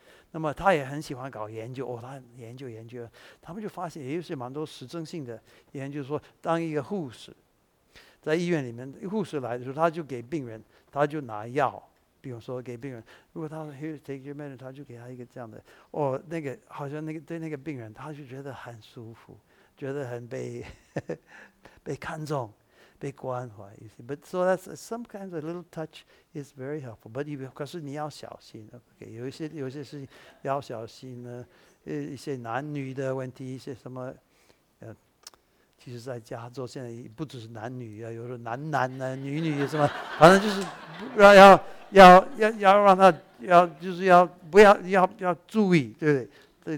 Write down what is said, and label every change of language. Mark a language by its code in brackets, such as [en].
[zh] 那么他也很喜欢搞研究哦，他研究，他们就发现也有些蛮多实证性的研究，说当一个护士在医院里面，护士来的时候，他就给病人，他就拿药，比如说给病人，如果他说 [en] Here take your medicine， [zh] 他就给他一个这样的，哦，那个好像那个对那个病人，他就觉得很舒服，觉得很被看重，被关怀。 [en] You see? But so that's some kinds of little touch is very helpful. But you, [zh] 可是你要小心。 Okay, 有一些事情要小心呢，一些男女的问题，一些什么，其实在加州现在不只是男女啊，有时候男男呢、啊，女女什么，反正就是要让他要就是要不要要要注意，对不对？